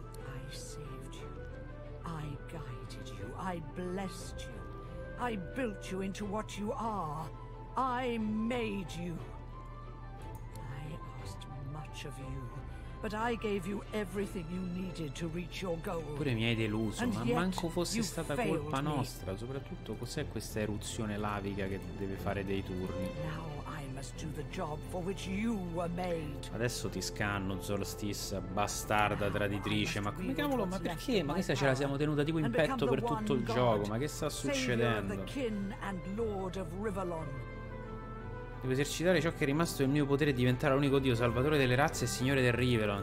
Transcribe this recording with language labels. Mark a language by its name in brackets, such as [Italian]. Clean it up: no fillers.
[English] I saved you. I guided you. I blessed you. I built you into what you are. I made you. I asked much of you, but I gave you everything you needed to reach your goal. [Italian] Pure mi hai deluso, ma manco fosse stata colpa nostra. Soprattutto, cos'è questa eruzione lavica che deve fare dei turni? [English] Now I must do the job for which you were made. [Italian] Adesso ti scanno, Zorl stessa, bastarda traditrice. Ma come cavolo? Ma perché? Ma questa ce la siamo tenuta tipo in petto per tutto il gioco. Ma che sta succedendo? Devo esercitare ciò che è rimasto del mio potere e diventare l'unico dio, salvatore delle razze e signore del Rivelon.